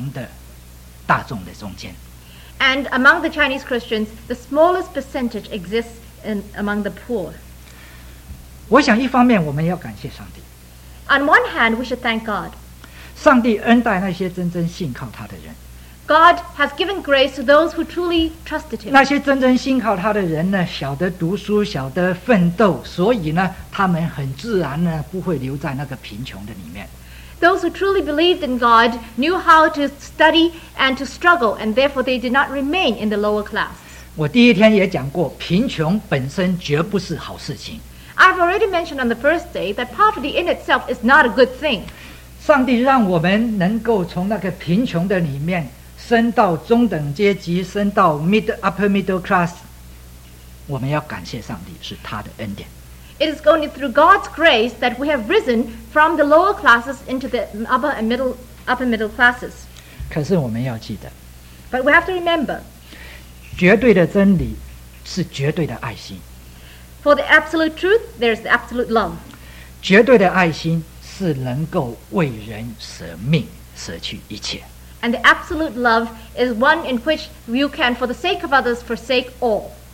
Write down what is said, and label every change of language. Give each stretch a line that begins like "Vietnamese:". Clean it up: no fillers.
Chinese: 基督徒最少的百分比的是在那些贫穷的大众的中间。
English: And among the Chinese Christians, the smallest percentage exists in among the poor.
Chinese: 我想一方面我们要感谢上帝。
English: On one hand, we should thank God.
Chinese: 上帝恩待那些真正信靠他的人。
English: God has given grace to those who truly trusted him.
Chinese: 那些真正信靠他的人呢, 晓得读书, 晓得奋斗, 所以呢, 他们很自然呢, 不会留在那个贫穷的里面。
English: Those who truly believed in God knew how to study and to struggle, and therefore they did not remain in the lower class.
Chinese: 我第一天也讲过, 贫穷本身绝不是好事情。
English: I've already mentioned on the first day that poverty in itself is not a good thing.
Chinese: 上帝让我们能够从那个贫穷的里面 升到中等阶级, 升到
English: upper middle class,
Chinese: 我们要感谢上帝, 是他的恩典。
English: It is only through God's grace that we have risen from the lower classes into the upper middle classes.
Chinese: 可是我们要记得,
English: But we have to remember,
Chinese: 绝对的真理是绝对的爱心。
English: For the absolute truth, there is the absolute love.
Chinese: 绝对的爱心是能够为人舍命舍去一切。
English: And the absolute love is one in which you can, for the sake of others, forsake all.